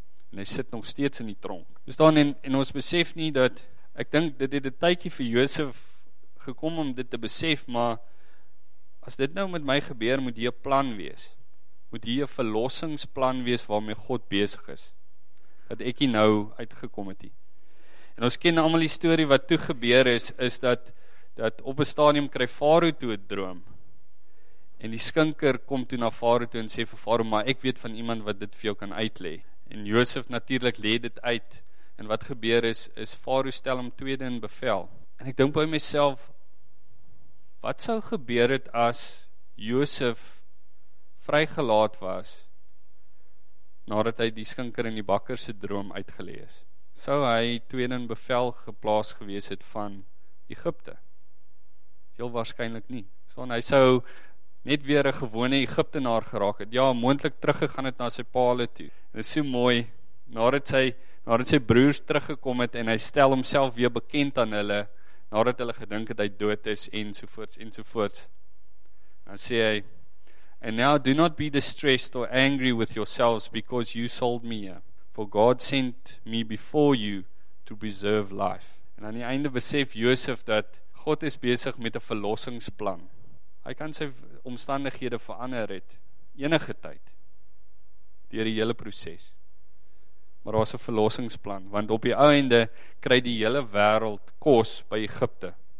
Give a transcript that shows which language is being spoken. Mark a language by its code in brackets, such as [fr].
[af] En hy sit nog steeds in die tronk. Dus dan, en ons besef nie dat, ek dink dit het 'n tydjie vir Josef gekom om dit te besef, maar as dit nou met my gebeur, moet hier 'n plan wees. Moet hier 'n verlossingsplan wees waarmee God besig is. Dat ek hier nou uitgekom het hier. En ons ken allemaal die story wat toe gebeur is dat op een stadium kry Farao toe 'n droom. En die skinker kom toe na Farao toe en sê vir Farao, maar ek weet van iemand wat dit vir jou kan uitlê. En Josef natuurlik lê dit uit. En wat gebeur is Farao stel hom tweede in bevel. En ek dink by myself, wat sou gebeur het as Josef vrygelaat was nadat hy die skinker en die bakker se droom uitgelê het? Sou hy tweede in bevel geplaas gewees het van Egipte? Heel waarskynlik nie. Staan, hy sou net weer 'n gewone Egiptenaar geraak het. Ja, moontlik teruggegaan het na sy paale toe. En dit is so mooi, nadat sy broers teruggekom het en hy stel homself weer bekend aan hulle, nadat hulle gedink het hy dood is en sovoorts. Dan sê hy, [en] and now do not be distressed or angry with yourselves because you sold me here. For God sent me before you to preserve life. [af] En aan die einde besef Josef dat God is besig met 'n verlossingsplan. Hy kan sy omstandighede verander het enige tyd deur die hele proses. Maar daar's 'n verlossingsplan, want op die ou einde kry die hele wêreld kos by Egipte.